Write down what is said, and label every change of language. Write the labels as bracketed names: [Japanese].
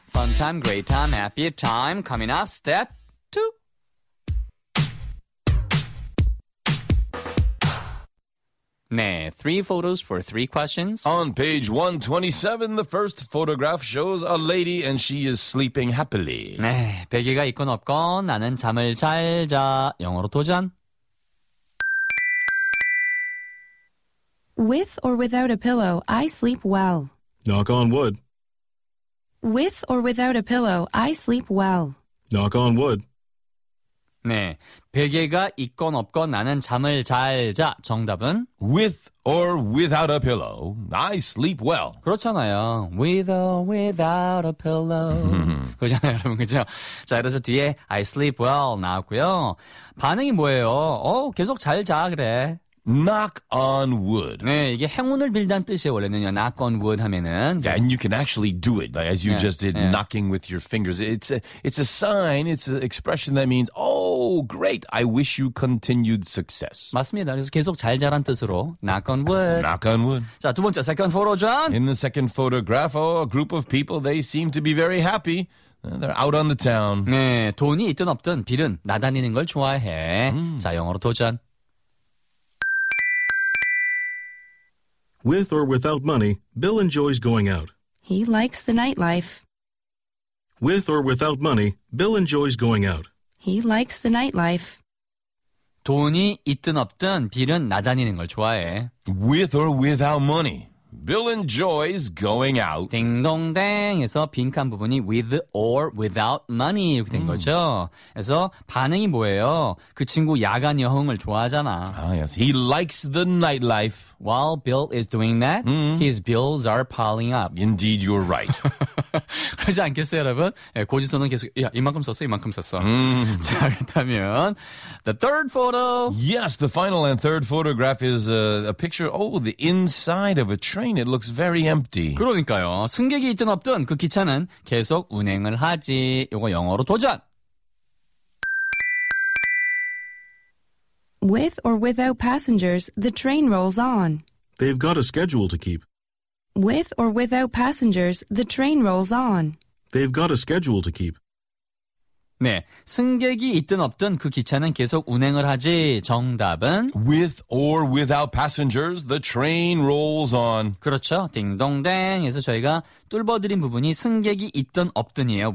[English] Fun time, great time, happy time. Coming up, step two. 네, three photos for three questions. On page 127, the first photograph shows a lady and she is sleeping happily. [Korean] 네, 베개가 있건 없건 나는 잠을 잘 자. 영어로 도전. [English] With or without a pillow, I sleep well. Knock on wood. With or without a pillow, I sleep well. Knock on wood. [Korean] 네, 베개가 있건 없건 나는 잠을 잘 자. 정답은? [English] With or without a pillow, I sleep well. [Korean] 그렇잖아요. [English] With or without a pillow. [Korean] 그렇잖아요, 여러분. 그죠? 자, 그래서 뒤에 [English] I sleep well [Korean] 나왔고요. 반응이 뭐예요? 계속 잘 자, 그래. [English] Knock on wood. [Korean] 네, 이게 행운을 빌다는 뜻이에요. 원래는요, knock on wood 하면은. [English] Yeah, and you can actually do it, like, as you just did, knocking with your fingers. It's a sign, it's an expression that means, oh, great, I wish you continued success. [Korean] 맞습니다. 그래서 계속 잘 자란 뜻으로, [English] knock on wood. Knock on wood. [Korean] 자, 두 번째, [English] second photo, [Korean] John. [English] In the second photograph, a group of people, they seem to be very happy. They're out on the town. [Korean] 네, 돈이 있든 없든, 빌은 나다니는 걸 좋아해. 자, 영어로 도전. [English] With or without money, Bill enjoys going out. He likes the nightlife. With or without money, Bill enjoys going out. He likes the nightlife. [Korean] 돈이 있든 없든 빌은 나다니는 걸 좋아해. [English] With or without money, Bill enjoys going out. [Korean] 딩동댕에서 빈칸 부분이 [English] with or without money [Korean] 이렇게 된 거죠. 그래서 반응이 뭐예요? 그 친구 야간 여행을 좋아하잖아. [English] Oh, yes. He likes the nightlife. While Bill is doing that, his bills are piling up. Indeed, you're right. [Korean] 그러지 않겠어요, 여러분? 예, 고지서는 계속 야, 이만큼 썼어, 이만큼 썼어. 자, 그렇다면 [English] the third photo. Yes, the final and third photograph is a picture. Oh, the inside of a train. It looks very empty. [Korean] 그러니까요. 승객이 있든 없든 그 기차는 계속 운행을 하지. 이거 영어로 도전. [English] With or without passengers, the train rolls on. They've got a schedule to keep. With or without passengers, the train rolls on. They've got a schedule to keep. [Korean] 네, 승객이 있든 없든 그 기차는 계속 운행을 하지. 정답은 [English] With or without passengers, the train rolls on. [Korean] 그렇죠. 딩동댕에서 저희가 뚫어드린 부분이 승객이 있든 없든이에요.